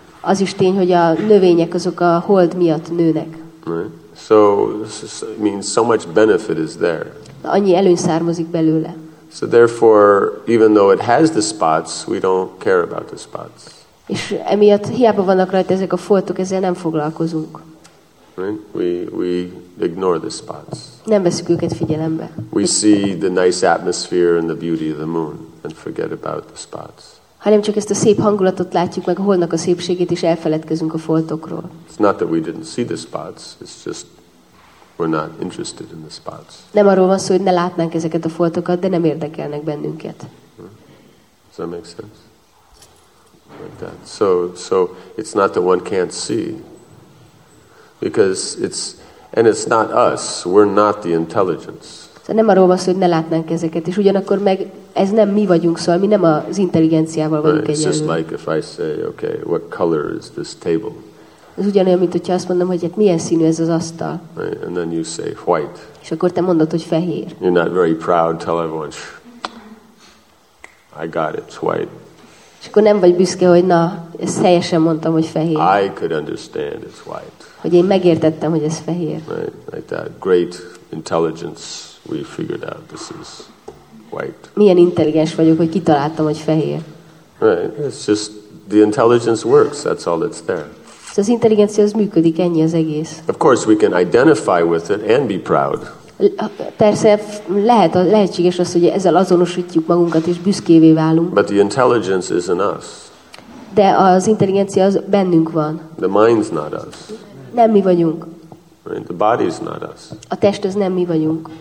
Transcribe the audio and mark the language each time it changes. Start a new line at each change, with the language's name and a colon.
Hungarian: Az is tény, hogy a növények azok a hold miatt nőnek.
English: Right? So, I mean, so much benefit is there.
Hungarian: Annyi előny származik belőle.
English: So therefore, even though it has the spots, we don't care about the spots.
Hungarian: És emiatt hiába vannak rajta ezek a foltok, ezzel nem foglalkozunk.
English: Right? We ignore the spots.
Hungarian: Nem veszük őket figyelembe.
English: We see the nice atmosphere and the beauty of the moon and forget about the spots.
Hungarian: Hanem csak ezt a szép hangulatot látjuk meg a holdnak a szépségét és elfeledkezünk a foltokról.
English: It's not that we didn't see the spots, it's just we're not interested in the spots.
Hungarian: Nem arról van szó, hogy ne látnánk ezeket a foltokat, de nem érdekelnek bennünket.
English: Does that make sense? Like that. So it's not that one can't see. Because it's and it's not us, we're not the intelligence.
Hungarian: Szóval nem arról van szó, hogy ne látnánk ezeket, és ugyanakkor meg ez nem mi vagyunk, szóval mi nem az intelligenciával vagyunk egyenlő.
English: It's just like if I say, okay, what color is this table?
Hungarian: Ez ugyanolyan, mint hogyha azt mondom, hogy hát milyen színű ez az asztal.
English: Right, and then you say, white.
Hungarian: És akkor te mondod, hogy fehér.
English: You're not very proud, tell everyone, I got it, it's white.
Hungarian: És akkor nem vagy büszke, hogy na, ezt helyesen mondtam, hogy fehér.
English: I could understand, it's white.
Hungarian: Hogy én megértettem, hogy ez fehér.
English: Right, like that, great intelligence. We figured out this is white.
Hungarian: Milyen intelligens vagyok, hogy kitaláltam, hogy fehér.
English: Right, it's just the intelligence works. That's all that's there.
Hungarian: Szóval az intelligencia az működik, ennyi az egész.
English: Of course, we can identify with it and be proud.
Hungarian: Persze lehet a lehetséges az, hogy ezzel azonosítjuk magunkat és büszkévé válunk.
English: But the intelligence isn't us.
Hungarian: De az intelligencia az bennünk van.
English: The mind's not us.
Hungarian: Nem mi vagyunk.
English: Right? The body is not us.
Hungarian: A test az nem mi vagyunk.